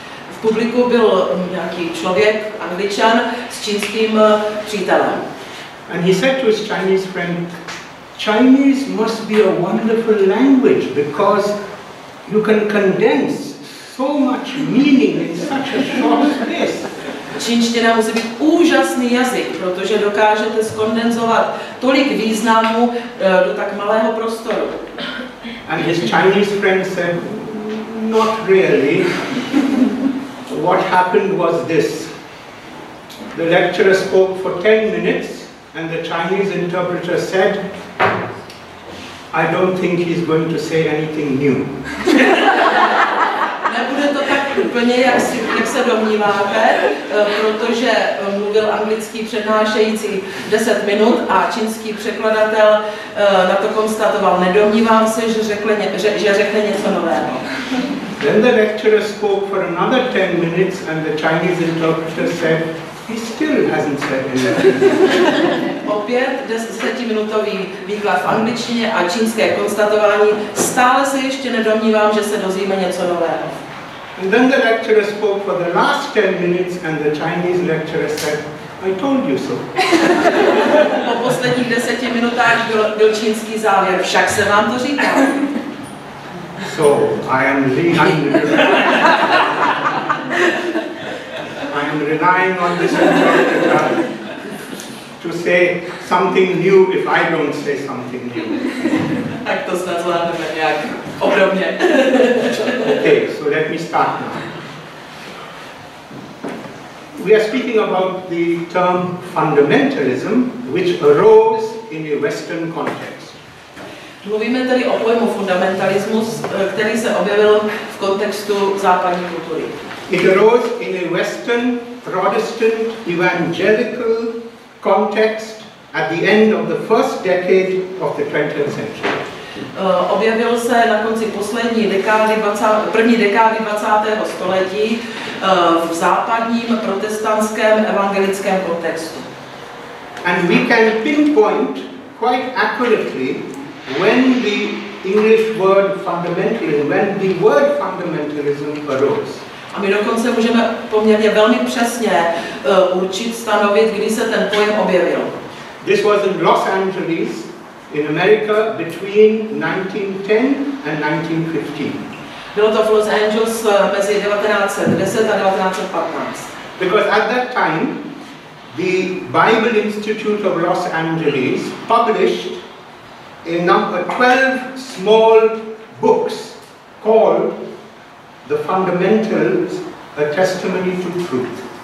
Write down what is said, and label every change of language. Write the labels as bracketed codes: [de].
[cs] V publiku byl nějaký člověk, Angličan, s čínským přítelem. [en] And he said to his Chinese friend, Chinese must be a wonderful language because you can condense so much meaning in such a short space. [cs] Čínština musí být úžasný jazyk, protože dokážete skondenzovat tolik významu do tak malého prostoru. [en] And his Chinese friend said, not really. What happened was this. The lecturer spoke for 10 minutes and the Chinese interpreter said, I don't think he's going to say anything new. [cs] Nebude to tak úplně, jak se domníváte, protože mluvil anglický přednášející 10 minut a čínský překladatel na to konstatoval, nedomnívám se, že řekne něco nového. [en] Then the lecturer spoke for another 10 minutes and the Chinese interpreter said, he still hasn't said anything. [cs] Opět 10-minutový výklad v angličtině a čínské konstatování, stále se ještě nedomnívám, že se dozvíme něco nového. [en] And then the lecturer spoke for the last 10 minutes and the Chinese lecturer said, I told you so. [cs] Po posledních 10 minutách byl čínský závěr, však jsem vám to říkal. [en] So, I am relying on this. I am relying on this interpreter to say something new if I don't say something new. [cs] Tak to snad zvládneme nějak. Obdobně. [en] Okay, so let me start now. We are speaking about the term fundamentalism, which arose in a Western context. [cs] Mluvíme tedy o pojmu fundamentalismus, který se objevil v kontextu západní kultury. [en] It arose in a Western Protestant evangelical context at the end of the first decade of the 20th century. [cs] Objevil se na konci poslední dekády, první dekády 20. století v západním protestantském evangelickém kontextu. [en] And we can pinpoint quite accurately when the English word fundamentalism, when the word fundamentalism arose. [cs] A my dokonce můžeme poměrně velmi přesně určit, stanovit, kdy se ten pojem objevil. [en] This was in Los Angeles, in America between 1910 and 1915. [cs] Bylo to v Los Angeles mezi 1910 a 1915. [en] Because at that time, the Bible Institute of Los Angeles published a number 12 small books called The Fundamentals, A Testimony to Truth.